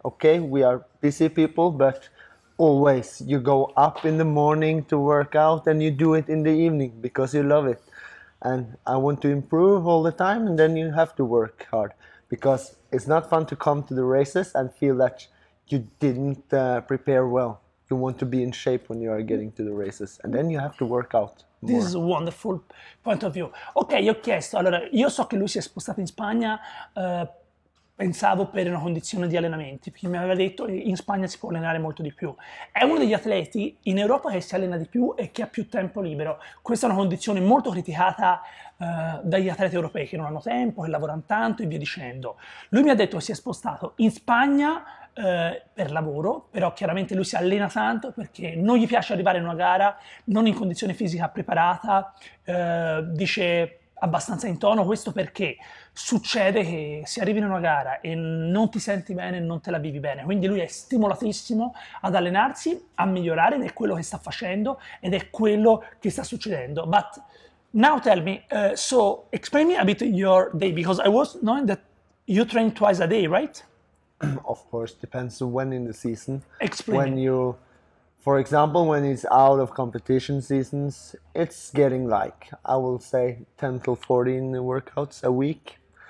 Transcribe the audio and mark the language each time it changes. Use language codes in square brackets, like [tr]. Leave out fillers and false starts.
[en] Okay, we are busy people, but always you go up in the morning to work out and you do it in the evening because you love it. And I want to improve all the time, and then you have to work hard, because it's not fun to come to the races and feel that you didn't prepare well. You want to be in shape when you are getting to the races, and then you have to work out more. This is a wonderful point of view. [it] Okay, io ho chiesto, allora, io so che lui si è spostato in Spagna, pensavo per una condizione di allenamenti, perché mi aveva detto che in Spagna si può allenare molto di più. È uno degli atleti in Europa che si allena di più e che ha più tempo libero. Questa è una condizione molto criticata dagli atleti europei, che non hanno tempo, che lavorano tanto e via dicendo. Lui mi ha detto che si è spostato in Spagna per lavoro, però chiaramente lui si allena tanto perché non gli piace arrivare in una gara, non in condizione fisica preparata, dice abbastanza in tono. Questo perché succede che si arrivi in una gara e non ti senti bene, non te la vivi bene. Quindi lui è stimolatissimo ad allenarsi, a migliorare, ed è quello che sta facendo ed è quello che sta succedendo. [en] But now tell me, so explain me a bit your day, because I was knowing that you train twice a day, right? Of course, depends on when in the season. Explain. When you, for example, when it's out of competition seasons, it's getting like, I will say, 10 to 14 workouts a week.